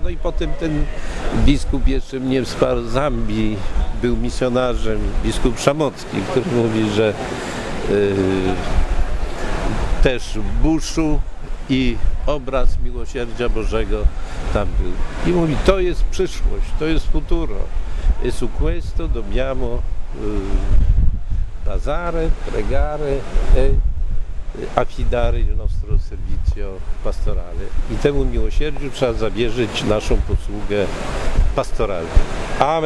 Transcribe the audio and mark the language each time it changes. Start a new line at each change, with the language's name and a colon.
Polish: No i potem ten biskup jeszcze mnie wsparł z Zambii, był misjonarzem, biskup Szamocki, który mówi, że też Buszu i obraz miłosierdzia Bożego tam był. I mówi, to jest przyszłość, to jest futuro.
Italian: E su questo dobbiamo bazare, pregare e affidare il nostro servizio pastorale.
Polish: I temu miłosierdziu trzeba zawierzyć naszą posługę pastoralną. Amen.